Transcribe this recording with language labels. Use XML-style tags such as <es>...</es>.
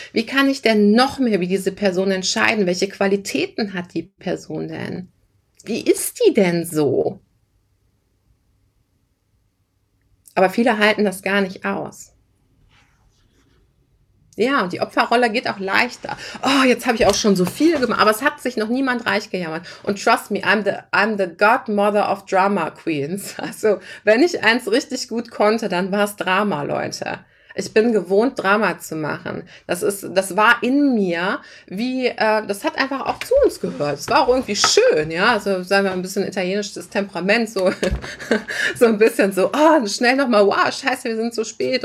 <de>Wie kann ich denn noch mehr wie diese Person entscheiden? Welche Qualitäten hat die Person denn? Wie ist die denn so? Aber viele halten das gar nicht aus. Ja, und die Opferrolle geht auch leichter. Oh, jetzt habe ich auch schon so viel gemacht, aber es hat sich noch niemand reich gejammert.</de> <en>Und trust me, I'm the godmother of drama queens.</en> <de>Also, wenn ich eins richtig gut konnte, dann war es Drama, Leute. Ich bin gewohnt, Drama zu machen. Das war in mir wie, das hat einfach auch zu uns gehört. Es war auch irgendwie schön, ja. Also, sagen wir ein bisschen italienisches Temperament, so, so ein bisschen so, oh, schnell nochmal, wow, scheiße, wir sind zu spät.</de>